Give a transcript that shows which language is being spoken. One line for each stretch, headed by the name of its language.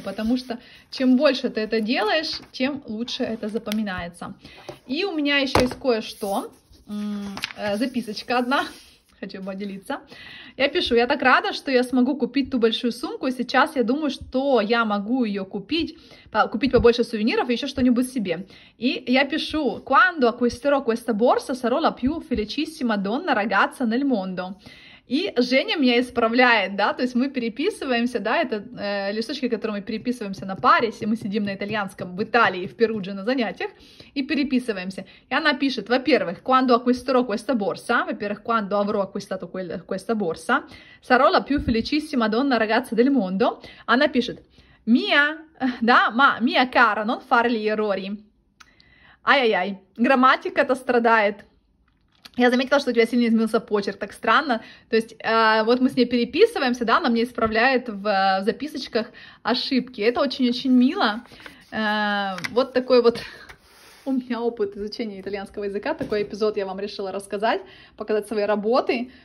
Russian: Потому что чем больше ты это делаешь, тем лучше это запоминается. И у меня еще есть кое-что. Записочка одна. Хочу поделиться. Я пишу: я так рада, что я смогу купить ту большую сумку. И сейчас я думаю, что я могу ее купить побольше сувениров и еще что-нибудь себе. И я пишу:
Italian: quando acquisterò questa borsa sarò la più felicissima donna ragazza nel mondo.
Russian: И Женя меня исправляет, да, то есть мы переписываемся, да, это листочки, которые мы переписываемся на паре, если мы сидим на итальянском в Италии, в Перудже на занятиях, и переписываемся. И она пишет, во-первых,
Italian: quando acquisterò questa borsa,
Russian: во-первых,
Italian: quando avrò acquistato questa borsa, sarò la più felicissima donna ragazza del mondo,
Russian: она пишет, mia, да,
Italian: ma mia cara, non fare gli errori,
Russian: ай-яй-яй, грамматика-то страдает. Я заметила, что у тебя сильно изменился почерк, так странно. То есть вот мы с ней переписываемся, да, она мне исправляет в записочках ошибки. Это очень-очень мило. Вот такой вот у меня опыт изучения итальянского языка. Такой эпизод я вам решила рассказать, показать свои работы.